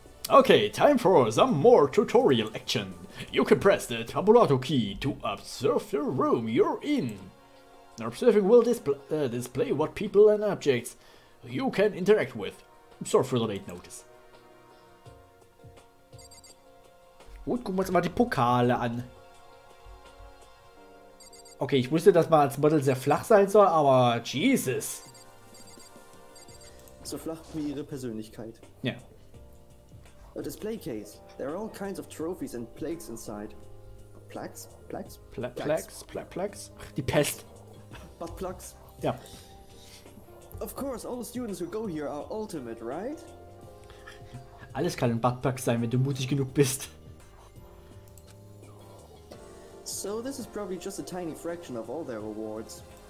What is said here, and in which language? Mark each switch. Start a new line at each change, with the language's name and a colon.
English: Okay, time for some more tutorial action. You can press the tabulato key to observe the room you're in. Observing will display what people and objects you can interact with. Sorry for the late notice.
German: Gut, gucken wir uns mal die Pokale an. Okay, ich wusste, dass man als Model sehr flach sein soll, aber Jesus. So flach wie ihre Persönlichkeit. Ja. Yeah.
English: A display case. There are all kinds of trophies and plaques inside. Plaques? Plaques? Plaques? Plaques?
German: Die Pest.
English: But plaques? Ja. Yeah. Of course, all the students who go here are ultimate, right?
German: Alles kann ein Buttplug sein, wenn du mutig genug bist.
English: So this is probably just a tiny fraction of all their awards.